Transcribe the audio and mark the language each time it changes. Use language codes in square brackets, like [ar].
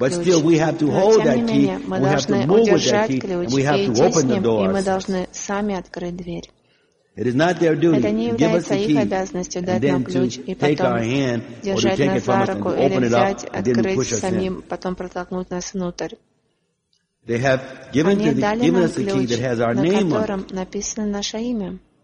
[en] But still we have to hold that key, and we have to move with that key, and we have to open the doors. [ru] И мы должны сами открыть дверь. [en] It is not their duty to give us the key and then to take our hand or to take it from us and open it up and then push us in. They have given us the key that has our name on it.